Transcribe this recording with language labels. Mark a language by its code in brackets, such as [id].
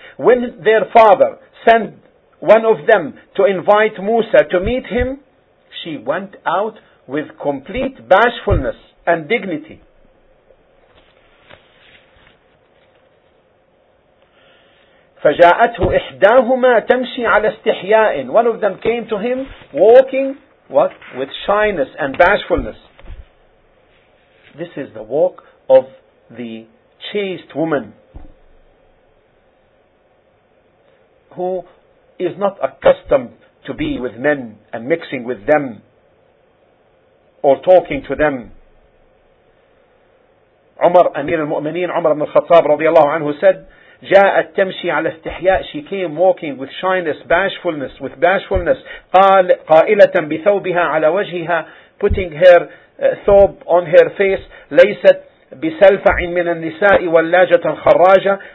[en] When their father sent one of them to invite Musa to meet him, she went out with complete bashfulness and dignity. [ar] فجاءته إحداهما تمشي على استحياء. [en] One of them came to him walking, what? With shyness and bashfulness. This is the walk of the chaste woman who is not accustomed to be with men and mixing with them or talking to them. Umar, Amir al-Mu'mineen, Umar ibn al-Khattab radiallahu anhu said, [ar] جاءت تمشي على استحياء. [en] She came walking with shyness, bashfulness, with bashfulness. [ar] قال قائلة بثوبها على وجهها, [en] putting her thawb on her face. [ar] ليست بسلفع من النساء واللاجة الخراجة.